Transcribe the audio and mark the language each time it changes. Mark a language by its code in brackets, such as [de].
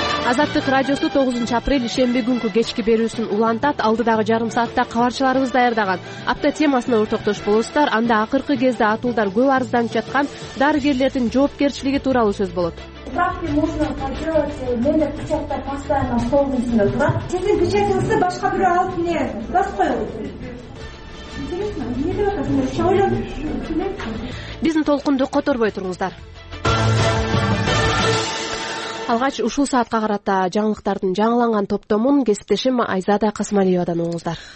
[ky] Азаттык радиосу 9-апрель ишемби күнкү кечки берүүсүн улантат. Алдыдагы жарым саатта кабарчыларыбыз даярдаган апта темасына ортоктош болосуздар. Анда акыркы кезде атуулдар көп арызданып жаткан дарыгерлердин жоопкерчилиги тууралуу сөз болот. [ru] Справки нужно контролировать, [ky] менде печатьтер постоянно колуңузда турат. Сиздин печатиңизди башка бирөө алып келет. Бас коюңуз. Биздин толкунду которбой туруңуздар. Алгач ушул саатка карата жаңылыктардын жаңыланган топтомун кесиптешим Айзада Касмалиевадан угуңуздар.